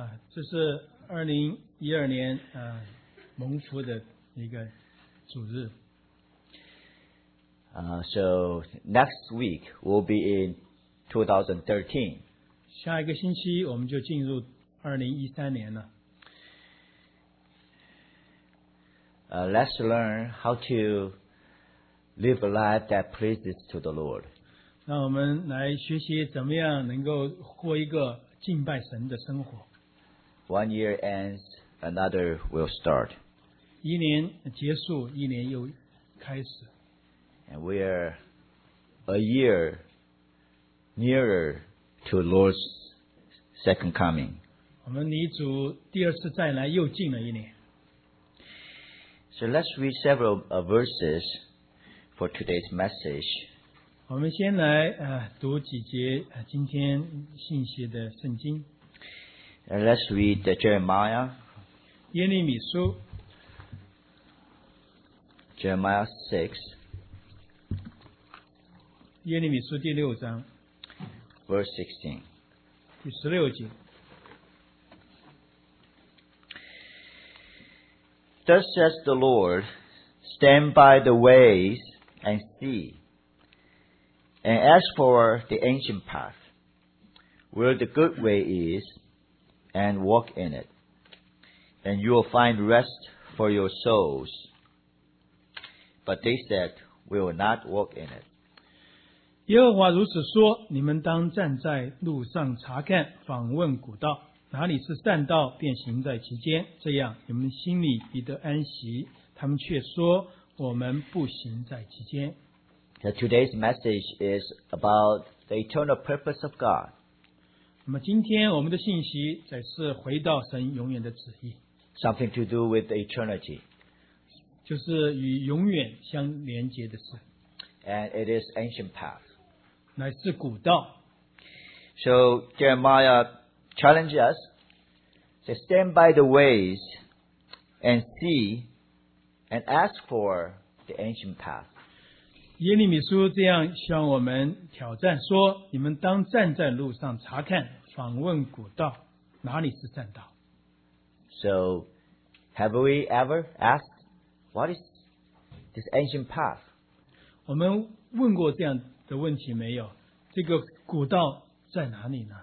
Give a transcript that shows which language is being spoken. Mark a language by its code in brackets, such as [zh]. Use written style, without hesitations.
[zh] 这是2012年蒙福的一个主日。 [en] So next week we'll be in 2013. [zh] 下一个星期我们就进入2013年了。 [en] Let's learn how to live a life that pleases to the Lord. [zh] 让我们来学习怎么样能够过一个敬拜神的生活。 [en] One year ends, another will start. [zh] 一年结束，一年又开始。 [en] And we are a year nearer to Lord's second coming. [zh] 我们离主第二次再来又近了一年。 [en] So let's read several verses for today's message. [zh] 我们先来读几节今天信息的圣经。 [en] Let's read Jeremiah. [zh] 耶利米书。 [en] Jeremiah 6. [zh] 耶利米书第六章。 [en] Verse 16. [zh] 第十六节。 [en] Thus says the Lord, stand by the ways and see. And as for the ancient path, where the good way is, and walk in it, and you will find rest for your souls. But they said, we will not walk in it. [zh] 耶和华如此说，你们当站在路上查看，访问古道，哪里是善道，便行在其间，这样你们心里必得安息。他们却说，我们不行在其间。 [en] Today's message is about the eternal purpose of God. [zh] 那么今天我们的信息则是回到神永远的旨意。 [en] Something to do with eternity. [zh] 就是与永远相连接的事。 [en] And it is ancient path. [zh] 乃是古道。 [en] So Jeremiah challenged us to stand by the ways and see and ask for the ancient path. [zh] 耶利米书这样向我们挑战说，你们当站在路上查看，访问古道，哪里是正道。 [en] So have we ever asked what is this ancient path? [zh] 我们问过这样的问题没有，这个古道在哪里呢？